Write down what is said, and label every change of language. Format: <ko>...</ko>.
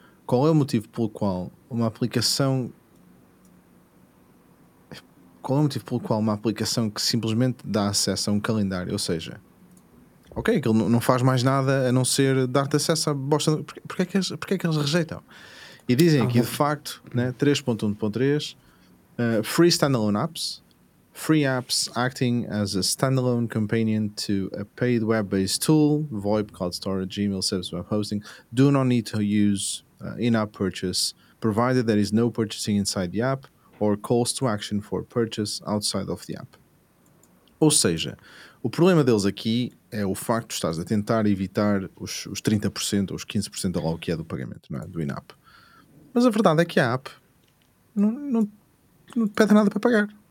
<pt>Qual é o motivo pelo qual uma aplicação... Qual é o motivo pelo qual uma aplicação que simplesmente dá acesso a um calendário, ou seja... Ok, que ele não faz mais nada a não ser dar-te acesso à bosta. Porquê é que eles rejeitam? E dizem aqui, de facto, né,</pt> <en>3.1.3, free standalone apps, free apps acting as a standalone companion to a paid web-based tool, VoIP, cloud storage, email service, web hosting, do not need to use in-app purchase, provided there is no purchasing inside the app or calls to action for purchase outside of the app.</en> <pt>Ou seja, o problema deles aqui é o facto de estás a tentar evitar os 30% ou os 15% de logo que é do pagamento, não é? Do in-app. Mas a verdade é que a app não pede nada para pagar.</pt>